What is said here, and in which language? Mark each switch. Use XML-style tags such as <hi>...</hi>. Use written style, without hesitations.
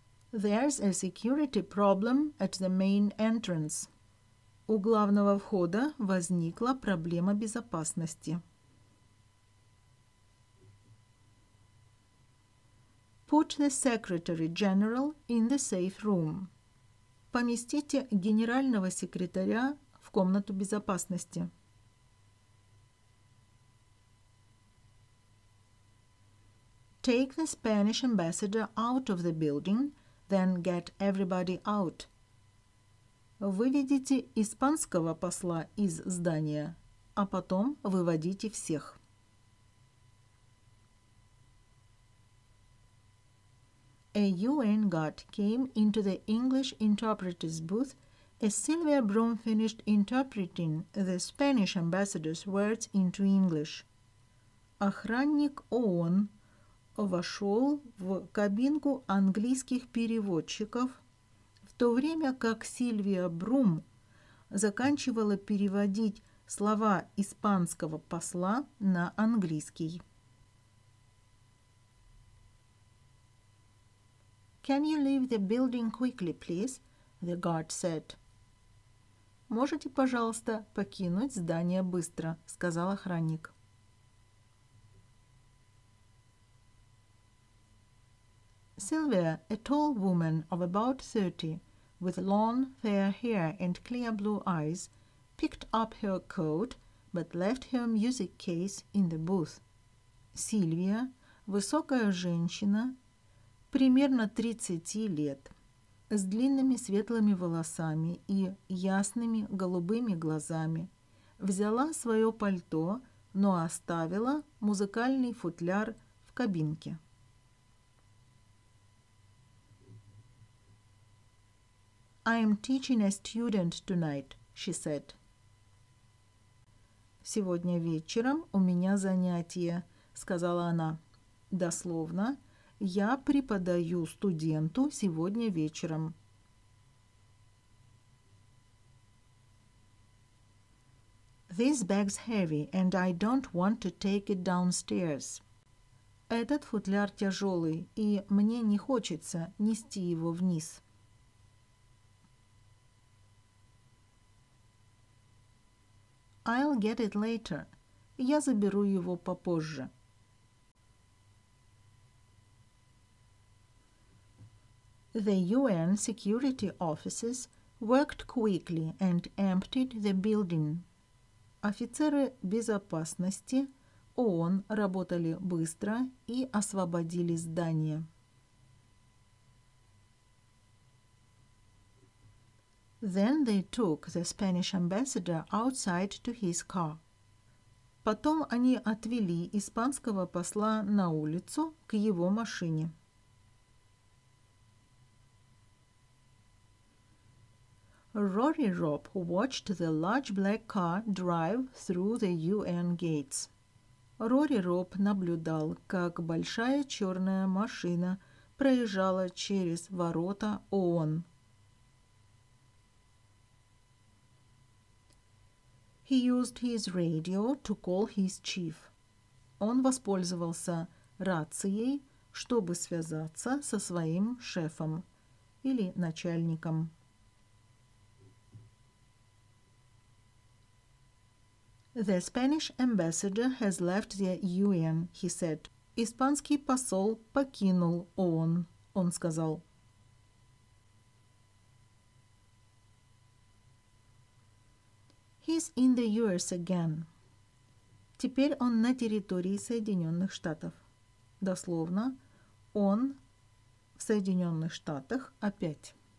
<en>There's a security problem at the main entrance.</en> <ru>У главного входа возникла проблема безопасности.</ru> <en>Put the Secretary General in the safe room.</en> <ru>Поместите генерального секретаря в комнату безопасности.</ru> <en>Take the Spanish ambassador out of the building, then get everybody out.</en> <ru>Выведите испанского посла из здания, а потом выводите всех.</ru> <en>A UN guard came into the English interpreter's booth as Sylvia Broom finished interpreting the Spanish ambassador's words into English.</en> <ru>Охранник ООН вошел в кабинку английских переводчиков, в то время как Сильвия Брум заканчивала переводить слова испанского посла на английский.</ru> <en>Can you leave the building quickly, please? The guard said.</en> <ru>Можете, пожалуйста, покинуть здание быстро, сказал охранник.</ru> <en>Sylvia, a tall woman of about 30, with long, fair hair and clear blue eyes, picked up her coat but left her music case in the booth.</en> <ru>Sylvia, высокая женщина, примерно 30 лет, с длинными светлыми волосами и ясными голубыми глазами, взяла свое пальто, но оставила музыкальный футляр в кабинке.</ru> <en>I am teaching a student tonight, she said.</en> <ru>Сегодня вечером у меня занятие, сказала она. Дословно, я преподаю студенту сегодня вечером.</ru> <en>This bag's heavy, and I don't want to take it downstairs.</en> <ru>Этот футляр тяжелый, и мне не хочется нести его вниз.</ru> <en>I'll get it later.</en> <ru>Я заберу его попозже.</ru> <en>The UN security officers worked quickly and emptied the building.</en> <ru>Офицеры безопасности ООН работали быстро и освободили здание.</ru> <en>Then they took the Spanish ambassador outside to his car.</en> <ru>Потом они отвели испанского посла на улицу к его машине.</ru> <en>Rory Robb watched the large black car drive through the UN gates.</en> <ru>Rory Robb наблюдал, как большая черная машина проезжала через ворота ООН.</ru> <en>He used his radio to call his chief.</en> <ru>Он воспользовался рацией, чтобы связаться со своим шефом или начальником.</ru> <en>The Spanish ambassador has left the UN, he said.</en> <ru>Испанский посол покинул ООН, он сказал.</ru> <en>He's in the US again.</en> <ru>Теперь он на территории Соединенных Штатов. Дословно, он в Соединенных Штатах опять.</ru>